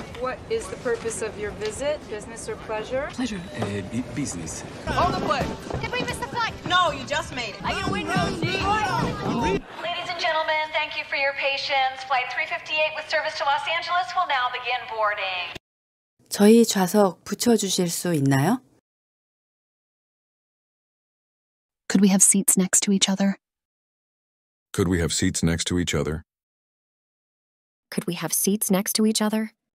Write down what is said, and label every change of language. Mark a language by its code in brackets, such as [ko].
[en] What is the purpose of your visit, business or pleasure? Pleasure. Business. Hold the plane. Did we miss the flight? No, you just made it. I got window seat. Ladies and gentlemen, thank you for your patience. Flight 358 with service to Los Angeles will now begin boarding. [ko] 저희 좌석 붙여주실 수 있나요? [en] Could we have seats next to each other? Could we have seats next to each other? Could we have seats next to each other?